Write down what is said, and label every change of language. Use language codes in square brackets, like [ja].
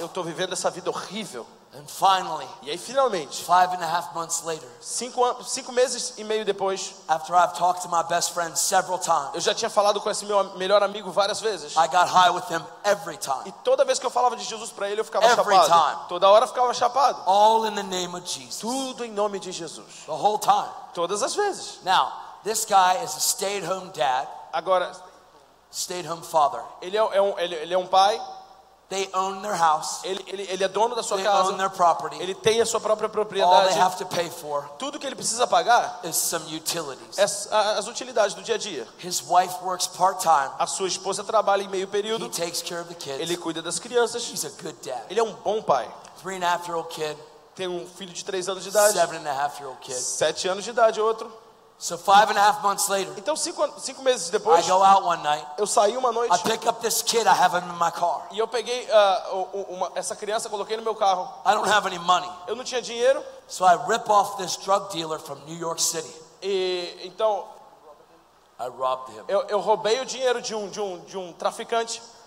[pt] Eu estou vivendo essa vida horrível. [en] And finally, [pt] e aí finalmente. [en] 5.5 months later. [pt] Cinco meses e meio depois. [en] After I've talked to my best friend several times. [pt] Eu já tinha falado com esse meu melhor amigo várias vezes. [en] I got high with him every time. [pt] E toda vez que eu falava de Jesus para ele, eu ficava [en] every [pt] chapado. [en] Time. [pt] Toda hora ficava chapado. [en] All in the name of Jesus. [pt] Tudo em nome de Jesus. [en] The whole time. [pt] Todas as vezes. [en] Now, this guy is a stay-at-home dad. [pt] Agora [en] stay-at-home father. [pt] Ele é um pai. [en] They own their house. [pt] Ele é dono da sua [en] they [pt] casa. [en] Own their property. [pt] Ele tem a sua própria propriedade. [en] All they have to pay for. [pt] Tudo que ele precisa pagar. [en] Is some utilities. [pt] As utilidades do dia a dia. [en] His wife works part-time. [pt] A sua esposa trabalha em meio período. [en] He takes care of the kids. [pt] Ele cuida das crianças. [en] He's a good dad. [pt] Ele é um bom pai. [en] 3.5-year-old kid. [pt] Tem um filho de 3 anos de idade. [en] 7.5-year-old kid. [pt] 7 anos de idade outro. [en] So 5.5 months later. [pt] Então cinco meses depois. [en] I go out one night. [pt] Eu saí uma noite. [en] I pick up this kid. I have him in my car. [pt] E eu peguei essa criança, coloquei no meu carro. [en] I don't have any money. [pt] Eu não tinha dinheiro. [en] So I rip off this drug dealer from New York City. [pt] E então. [en] I robbed him. [pt] Eu roubei o dinheiro de um traficante.